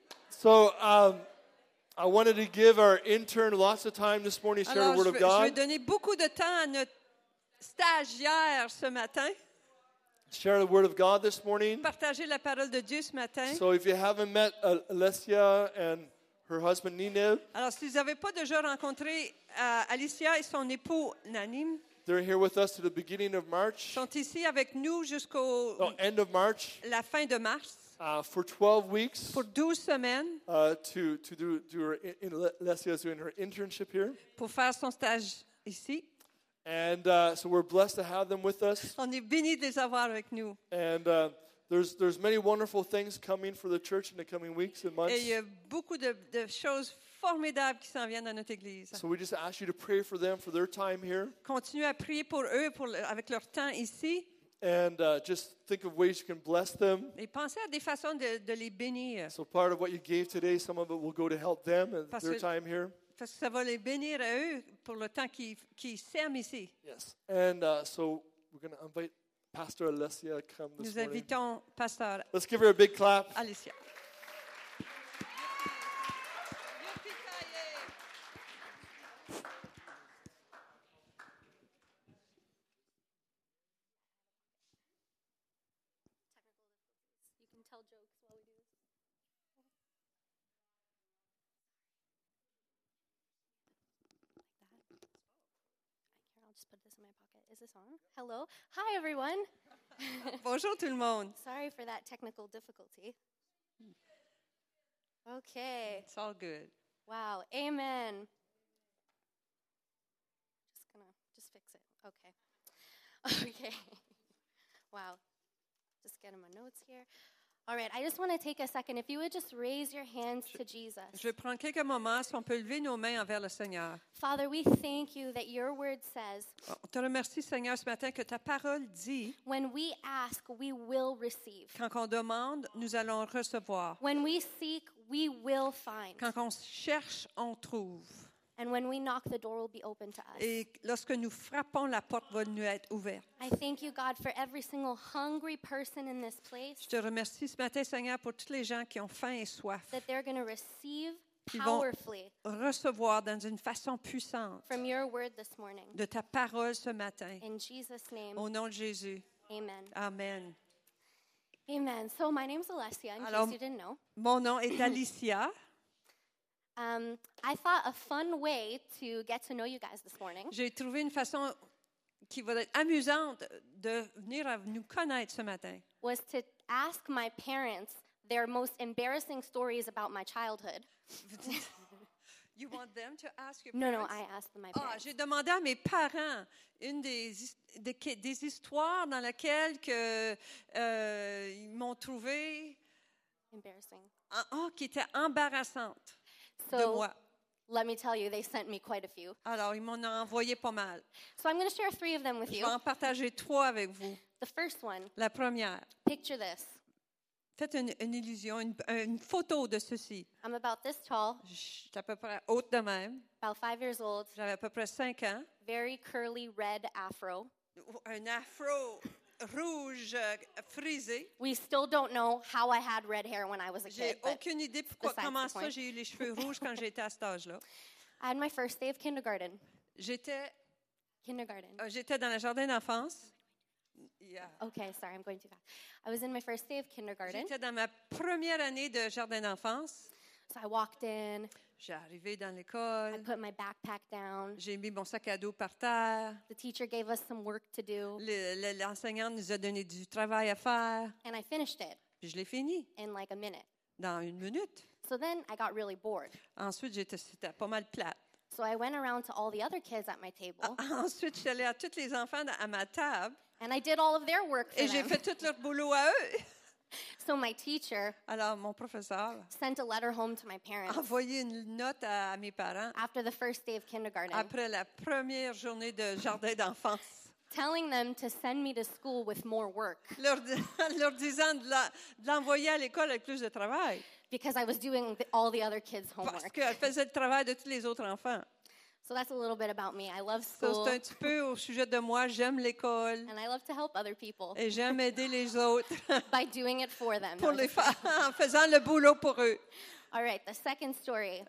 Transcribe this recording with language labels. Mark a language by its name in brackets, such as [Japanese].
[English] So I wanted to give our intern lots of time this morning to share the word of God. [French] Je vais donner beaucoup de temps à notre stagiaire ce matin. [English] Share the word of God this morning. [French] Partager la parole de Dieu ce matin. [English] So if you haven't met Alessia and her husband Ninev. [French] Alors si vous avez pas déjà rencontré Alicia et son époux Nanim. [English] They're here with us to the beginning of March. [French] Ils sont ici avec nous jusqu'au [English] end of March. [French] La fin de mars. [English] For 12 weeks. [French] Pour 12 semaines. [English] To do her in Alessia's doing her internship here. [French] Pour faire son stage ici. [English] And so we're blessed to have them with us. [French] On est bénis de les avoir avec nous. [English] And there's many wonderful things coming for the church in the coming weeks and months. [French] Et il y a beaucoup de choses formidables qui s'en viennent dans notre église. [English] So we just ask you to pray for them for their time here. [French] Continue à prier pour eux pour avec leur temps ici. [English] And just think of ways you can bless them. [French] Et pensez à des façons de les bénir. [English] So part of what you gave today, some of it will go to help them and their time here. [French] Parce que ça va les bénir à eux pour le temps qui sème ici. [English] Yes. And so we're going to invite Pastor Alessia to come this morning. [French] Nous invitons Pastor. [English] Let's give her a big clap. Alessia. Just put this in my pocket. Is this on? Hello. Hi, everyone. [French] Bonjour, tout le monde. [English] Sorry for that technical difficulty. Okay. It's all good. Wow. Amen. Just fix it. Okay. Okay. Wow. Just getting my notes here. All right. I just want to take a second. If you would just raise your hands to Jesus. [French] Je prends quelques moments si on peut lever nos mains envers le Seigneur. [English] Father, we thank you that your word says. [French] On te remercie, Seigneur, ce matin que ta parole dit. [English] When we ask, we will receive. [French] Quand on demande, nous allons recevoir. [English] When we seek, we will find. [French] Quand on cherche, on trouve. [English] And when we knock, the door will be open to us. [French] Et lorsque nous frappons, la porte va nous être ouverte. [English] I thank you, God, for every single hungry person in this place. [French] Je te remercie ce matin, Seigneur, pour toutes les gens qui ont faim et soif. [English] That they're going to receive [French] ils vont [English] powerfully. [French] Recevoir dans une façon puissante. [English] From your word this morning. [French] De ta parole ce matin. [English] In Jesus' name. [French] Au nom de Jésus. [English] Amen. Amen. Amen. So my name is Alessia. In [French] Alors, [English] case you didn't know. [French] Mon nom est Alicia. [English] I thought a fun way to get to know you guys this morning. [French] J'ai trouvé une façon qui va être amusante de venir à nous connaître ce matin. [English] Was to ask my parents their most embarrassing stories about my childhood. You want them to ask your parents? No, I asked my parents. [French] J'ai demandé à mes parents une des histoires dans laquelle que ils m'ont trouvé [English] embarrassing. [French] Qui était embarrassante. [English] So, let me tell you, they sent me quite a few. [French] Alors, ils m'en ont envoyé pas mal. [English] So, I'm going to share three of them with you. [French] Je vais en partager trois avec vous. [English] The first one. [French] La première. [English] Picture this. [French] Faites une illusion, une photo de ceci. [English] I'm about this tall. [French] J'étais à peu près haute de même. [English] About 5 years old. [French] J'avais à peu près 5 ans. [English] Very curly red afro. [French] Un afro rouge frisé. [English] We still don't know how I had red hair when I was a [French] j'ai [English] kid. [French] J'ai aucune idée pourquoi comment ça j'ai eu les cheveux rouges quand j'étais à cet âge-là. [English] I had my first day of kindergarten. [French] J'étais dans le jardin d'enfance. Yeah. [English] Okay, sorry, I'm going too fast. I was in my first day of kindergarten. [French] J'étais dans ma première année de jardin d'enfance. [English] So I walked in. [French] J'ai arrivé dans l'école. [English] I put my backpack down. [French] J'ai mis mon sac à dos par terre. [English] The teacher gave us some work to do. [French] L'enseignante nous a donné du travail à faire. [English] And I finished it. [French] Puis je l'ai fini. [English] In like a minute. [French] Dans une minute. [English] So then I got really bored. [French] Ensuite, c'était pas mal plate. [English] So I went around to all the other kids at my table. [French] Ensuite, je suis allée à tous les enfants à ma table. [English] And I did all of their work for them. [French] Et j'ai fait tout leur boulot à eux. [English] So my teacher [French] alors, mon professeur [English] sent a letter home to my parents. [French] Envoyé une note à mes parents [English] after the first day of kindergarten. [French] Après la première journée de jardin d'enfance. [English] Telling them to send me to school with more work. [French] Leur disant de l'envoyer à l'école avec plus de travail. [English] Because I was doing all the other kids' homework. [French] Parce qu'elle faisait le travail de tous les autres enfants. [English] So that's a little bit about me. I love school. [French] C'est un petit peu au sujet de moi. J'aime l'école. [English] And I love to help other people. [French] Et j'aime aider les autres. [English] By doing it for them. [French] Pour les faire, en faisant le boulot pour eux. [English] All right, the second story.